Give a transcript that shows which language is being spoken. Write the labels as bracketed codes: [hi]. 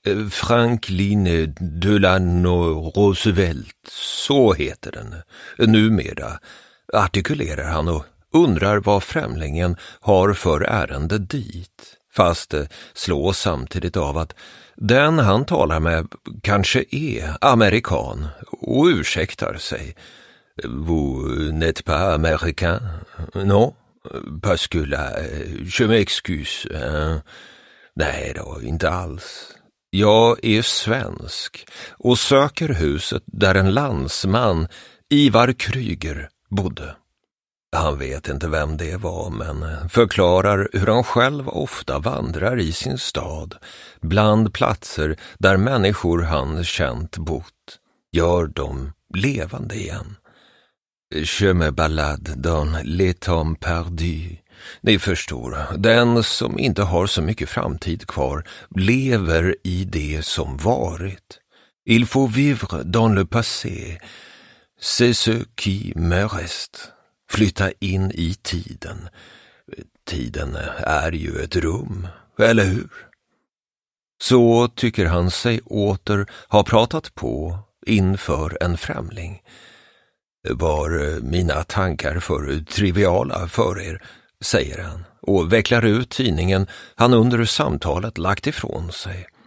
[sv] Franklin Delano Roosevelt, så heter den numera, artikulerar han och undrar vad främlingen har för ärende dit, fast slås samtidigt av att den han talar med kanske är amerikan och ursäktar sig. [fr] Vous n'êtes pas américain? Non, parce que là, je m'excuse. [sv] Nej då, inte alls. Jag är svensk och söker huset där en landsman, Ivar Kryger, bodde. Han vet inte vem det var, men förklarar hur han själv ofta vandrar i sin stad, bland platser där människor han känt bott, gör dem levande igen. [fr] Je me balade dans les temps perdus. [sv] Ni förstår, den som inte har så mycket framtid kvar lever i det som varit. [fr] Il faut vivre dans le passé, c'est ce qui me reste. [sv] Flytta in i tiden. Tiden är ju ett rum, eller hur? Så tycker han sig åter ha pratat på inför en främling. Var mina tankar för triviala för er, säger han och vecklar ut tidningen han under samtalet lagt ifrån sig.